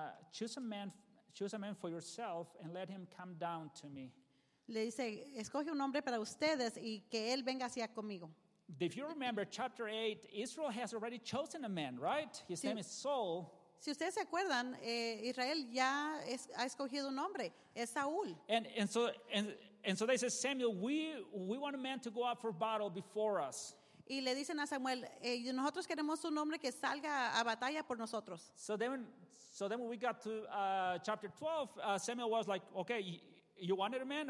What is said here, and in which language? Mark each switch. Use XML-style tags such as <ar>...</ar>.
<en>Choose a man for yourself and let him come down to me.</en> <es>Le dice, escoge un hombre para ustedes y que él venga hacia conmigo.</es> <en>If you remember chapter 8, Israel has already chosen a man, right? His name is Saul.</en> <es>Si ustedes se acuerdan, Israel ya ha escogido un hombre, es Saúl.</es> <en>And so they say, Samuel, we want a man to go out for battle before us.</en> <es>Y le dicen a Samuel, nosotros queremos un hombre que salga a batalla por nosotros.</es> <en>So then when we got to chapter 12, Samuel was like, okay, you wanted a man?</en>